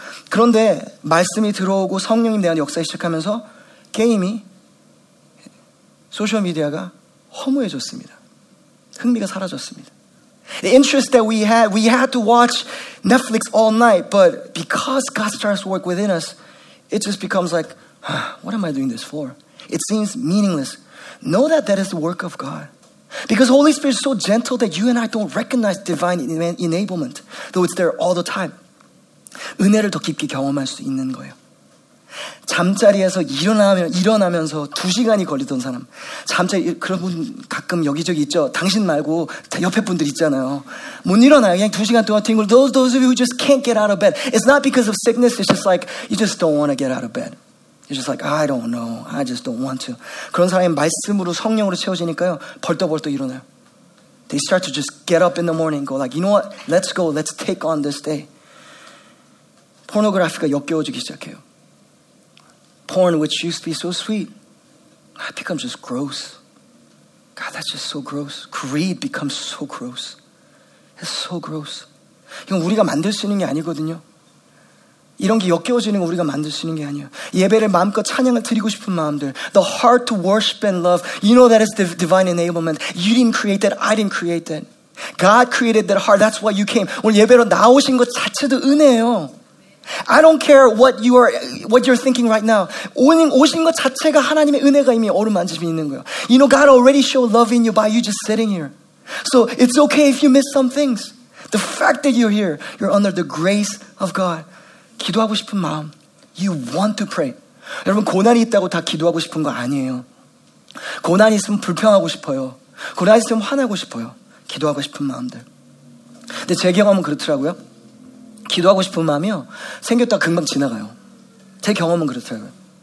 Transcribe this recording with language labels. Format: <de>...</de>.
<ko>그런데 말씀이 들어오고 성령님 대한 역사 시작하면서 게임이, 소셜미디어가 허무해졌습니다. 흥미가 사라졌습니다.</ko> <en>The interest that we had to watch Netflix all night, but because God starts to work within us, it just becomes like, what am I doing this for? It seems meaningless. Know that that is the work of God. Because Holy Spirit is so gentle that you and I don't recognize divine enablement, though it's there all the time.</en> <ko>은혜를 더 깊게 경험할 수 있는 거예요. 잠자리에서 일어나면서 두 시간이 걸리던 사람. 잠자리, 그런 분 가끔 여기저기 있죠? 당신 말고 옆에 분들 있잖아요. 못 일어나요. 그냥 두 시간 동안 뒹굴.</ko> <en>Those of you who just can't get out of bed. It's not because of sickness. It's just like, you just don't want to get out of bed. You're just like, I don't know. I just don't want to.</en> <ko>그런 사람이 말씀으로 성령으로 채워지니까요. 벌떡벌떡 일어나요.</ko> <en>They start to just get up in the morning and go like, you know what? Let's go. Let's take on this day.</en> <ko>포르노그래피가 역겨워지기 시작해요.</ko> <en>Porn, which used to be so sweet, it becomes just gross. God, that's just so gross. Greed becomes so gross. It's so gross.</en> <ko>이건 우리가 만들 수 있는 게 아니거든요. 이런 게 역겨워지는 거 우리가 만들 수 있는 게 아니에요. 예배를 마음껏 찬양을 드리고 싶은 마음들.</ko> <en>The heart to worship and love. You know that is divine enablement. You didn't create that. I didn't create that. God created that heart. That's why you came.</en> <ko>오늘 예배로 나오신 것 자체도 은혜예요.</ko> <en>I don't care what you're thinking right now.</en> <ko>오신 것 자체가 하나님의 은혜가 이미 어루만짐이 있는 거예요.</ko> <en>You know, God already showed love in you by you just sitting here. So it's okay if you miss some things. The fact that you're here, you're under the grace of God.</en> <ko>기도하고 싶은 마음.</ko> <en>You want to pray.</en> <ko>여러분, 고난이 있다고 다 기도하고 싶은 거 아니에요. 고난이 있으면 불평하고 싶어요. 고난이 있으면 화나고 싶어요. 기도하고 싶은 마음들. 근데 제 경험은 그렇더라고요. 기도하고 싶은 마음이요. 생겼다 금방 지나가요. 제 경험은 그렇더라고요.</ko>